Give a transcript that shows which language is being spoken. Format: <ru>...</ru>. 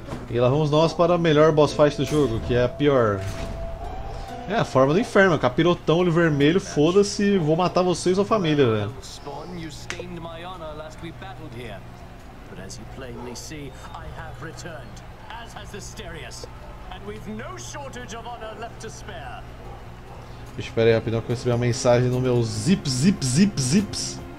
<pt>E lá vamos nós para a melhor boss fight do jogo, que é a pior. É a forma do inferno, capirotão, olho vermelho, foda-se, vou matar você e sua família, velho.</pt> <en>As you plainly see, I have returned, as has Asterius, and we've no shortage of honor left to spare.</en> <pt>Espera aí, rapidão, que eu recebi uma mensagem no meu zip zip zip zips.</pt>